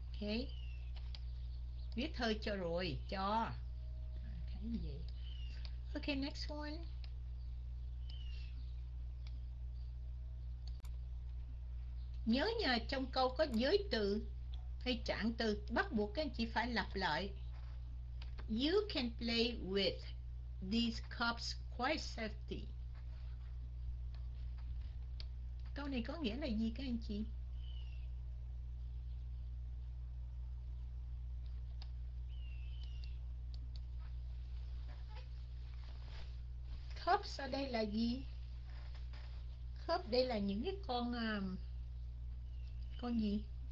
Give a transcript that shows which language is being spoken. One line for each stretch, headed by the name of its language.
Vietnamese: Thế. Okay. Viết thơ cho rồi, cho.
English: Ok, next one.
Vietnamese: Nhớ nha, trong câu có giới từ hay trạng từ bắt buộc các anh chị phải lặp lại.
English: You can play with these cups quite safely.
Vietnamese: Câu này có nghĩa là gì các anh chị? Cups ở đây là gì? Cup đây là những cái con gì?